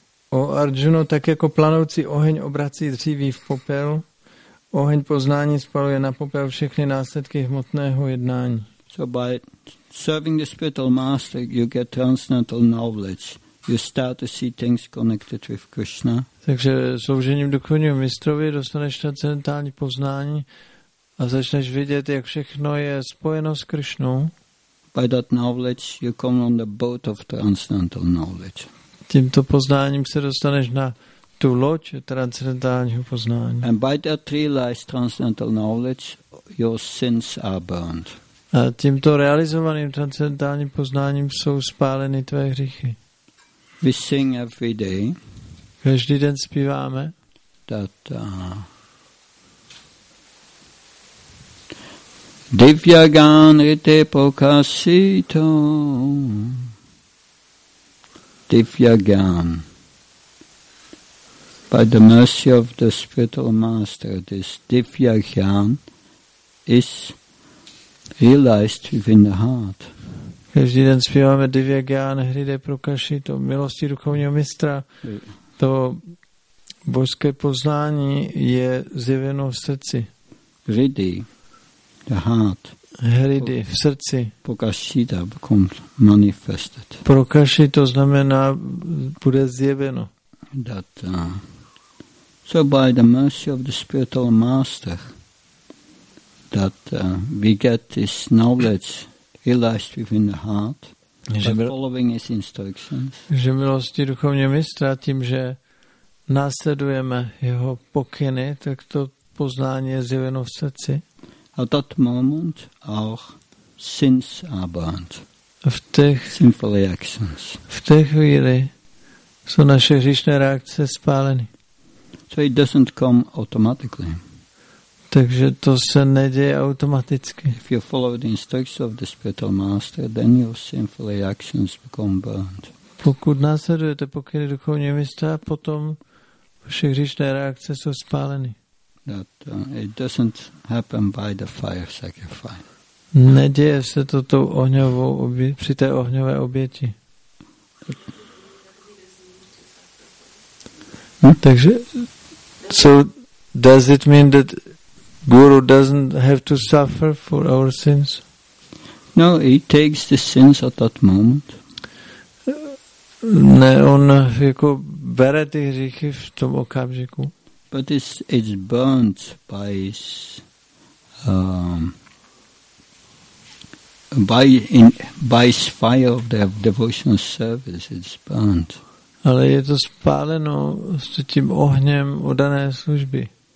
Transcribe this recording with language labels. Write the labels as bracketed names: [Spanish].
[Czech] O Arjuna, tak jako planoucí oheň obrací dříví v popel, oheň poznání spaluje na popel všechny následky hmotného jednání. [English] So by serving the spiritual master, you get transcendental knowledge. You start to see things connected with Krishna. [Czech] Takže soužením duchovního mistrovi dostaneš transcendentální poznání a začneš vidět, jak všechno je spojeno s Krishnou. [English] By that knowledge, you come on the boat of transcendental knowledge. [Czech] Tímto poznáním se dostaneš na tu loď transcendentálního poznání. [English] And by that realized transcendental knowledge, your sins are burned. [Czech] A tímto realizovaným transcendentálním poznáním jsou spáleny tvé hříchy. [English] We sing every day. [Czech] Každý den zpíváme. [English] That [Bangla] Divya gan rite prakashito. Divya gan. [English] By the mercy of the spiritual master, this divya gan is realized within the heart. [Czech] Každý den zpíváme [Bangla] divya gan rite prakashito. [Czech] Milosti duchovního mistra. To božské poznání je zjeveno v srdci. [English] Rite. The heart. [Czech] Hridy, v srdci. [English] Prakashita becomes manifested. [Czech] Prakashita znamená, bude zjeveno. [English] That, so by the mercy of the spiritual master, that we get this knowledge realized within the heart, by following his instructions. [Czech] Že milosti duchovního mistra, tím, že následujeme jeho pokyny, tak to poznání je zjeveno v srdci. [English] At that moment, our sins are burned. [Czech] V těch [English] sinful reactions. [Czech] V té chvíli jsou naše hříšné reakce spáleny. [English] So it doesn't come automatically. [Czech] Takže to se neděje automaticky. [English] If you follow the instructions of the spiritual master, then your sinful reactions become burned. [Czech] Pokud následujete pokyny duchovního mistra, potom vaše hříšné reakce jsou spáleny. [English] That it doesn't happen by the fire sacrifice. [Czech] Neděje se to tou ohňovou při té ohňové oběti. Takže, [English] so does it mean that Guru doesn't have to suffer for our sins? No, he takes the sins at that moment. [Czech] Ne, on jako bere ty hříchy v tom okamžiku. [English] But it's burnt by his, by his fire of the devotional service. It's burnt. [Czech] Ale je to spáleno s tím ohněm oddané služby.